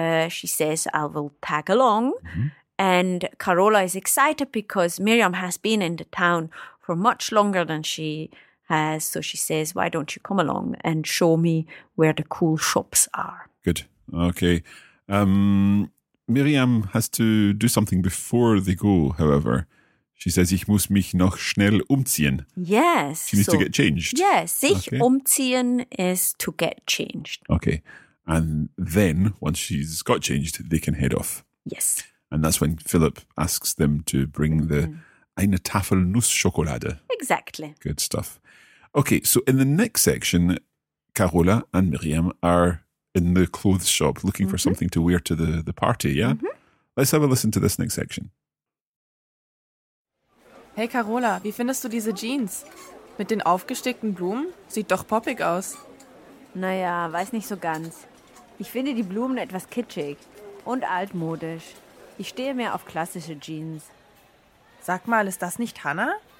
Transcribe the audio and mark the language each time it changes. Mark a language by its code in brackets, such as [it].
[en] She says, I will tag along. Mm-hmm. And Carola is excited because Miriam has been in the town for much longer than she has, so she says, why don't you come along and show me where the cool shops are? Good. Okay. Miriam has to do something before they go, however. She says, [de] ich muss mich noch schnell umziehen. [en] Yes. She needs to get changed. Yes. Sich umziehen is to get changed. Okay. And then, once she's got changed, they can head off. Yes. And that's when Philip asks them to bring the [de] eine Tafel Nussschokolade. [en] Exactly. Good stuff. Okay, so in the next section, Carola and Miriam are in the clothes shop looking for something to wear to the party, yeah? Mm-hmm. Let's have a listen to this next section. [de] Hey Carola, wie findest du diese Jeans? Mit den aufgestickten Blumen? Sieht doch poppig aus. Naja, weiß nicht so ganz. Ich finde die Blumen etwas kitschig und altmodisch. Ich stehe mehr auf klassische Jeans. Sag mal, ist das nicht Hannah?